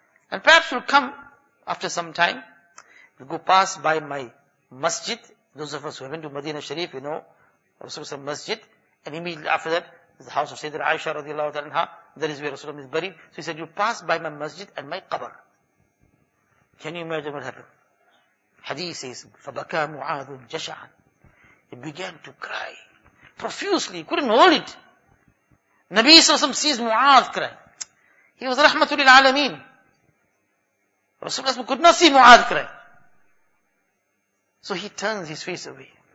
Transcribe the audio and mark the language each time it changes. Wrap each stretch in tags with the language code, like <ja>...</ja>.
<en>And perhaps we'll come after some time. We'll go pass by my masjid. Those of us who have been to Madinah Sharif, you know, Rasulullah's masjid. And immediately after that, the house of Sayyidina Aisha radiallahu anha. That is where Rasulullah is buried. So he said, you pass by my masjid and my qabr. Can you imagine what happened?</en> <ar>Hadith says, فَبَكَى مُعَاذٌ جَشَعًا.</ar> <en>He began to cry profusely. He couldn't hold it. Nabi Sallallahu Alaihi Wasallam sees Mu'adh cry. He was Rahmatul Alameen. Rasulullah could not see Mu'adh cry. So he turns his face away.</en>